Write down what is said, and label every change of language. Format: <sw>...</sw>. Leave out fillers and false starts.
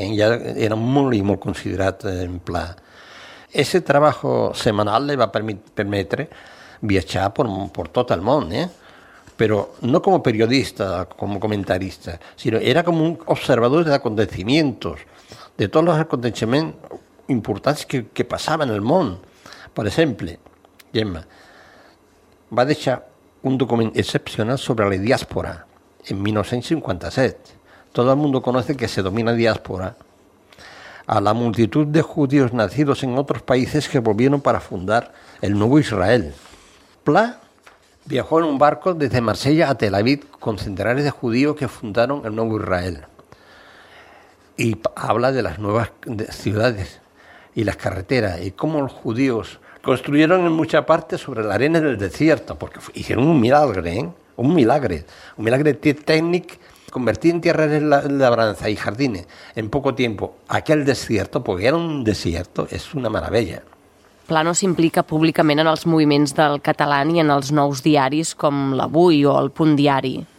<ca>Ja era molt i molt considerat en Pla.</ca> <es>Ese trabajo semanal</es> <ca>le va permetre viatjar per tot el món, però no com a periodista, com a comentarista, sinó era com un observador de aconteciments, de tots els aconteciments importants que passaven en el món. Per exemple, Gemma, va deixar un document excepcional sobre la diàspora en 1957.</ca> <es>Todo el mundo conoce que se domina diáspora a la multitud de judíos nacidos en otros países que volvieron para fundar el nuevo Israel. Pla viajó en un barco desde Marsella a Tel Aviv con centenares de judíos que fundaron el nuevo Israel. Y habla de las nuevas ciudades y las carreteras y cómo los judíos construyeron en mucha parte sobre la arena del desierto, porque hicieron un milagre, ¿eh? Un milagre técnico, convertir en tierras de labranza y jardines en poco tiempo aquel desierto, porque era un desierto, es una maravilla.</es> <ca>Pla no s'implica públicament en els moviments del català ni en els nous diaris com l'Avui o el Punt Diari.</ca>